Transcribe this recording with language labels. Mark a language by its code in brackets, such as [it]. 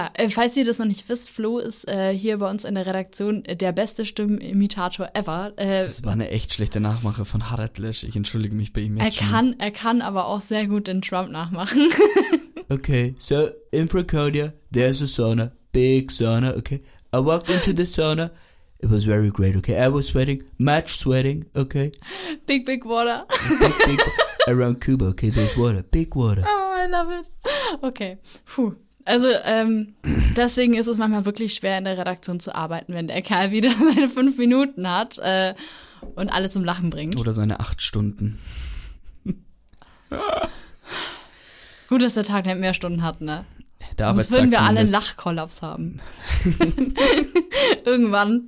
[de] Falls ihr das noch nicht wisst, Flo ist hier bei uns in der Redaktion der beste Stimmenimitator ever. Das war eine echt schlechte Nachmache von Harald Lesch. Ich entschuldige mich bei ihm jetzt Er kann aber auch sehr gut den Trump nachmachen. [en] Okay, so in Freakonia, there's a sauna, big sauna, okay. I walked into the sauna, it was very great, okay. I was sweating, much sweating, okay. Big, big water. Big around Cuba, okay, there's water, big water. Oh, I love it. Okay, puh. [de] Also, deswegen ist es manchmal wirklich schwer, in der Redaktion zu arbeiten, wenn der Kerl wieder seine 5 Minuten hat und alle zum Lachen bringt. Oder seine 8 Stunden. Gut, dass der Tag nicht mehr Stunden hat, ne? Sonst würden wir alle einen Lachkollaps haben. Irgendwann.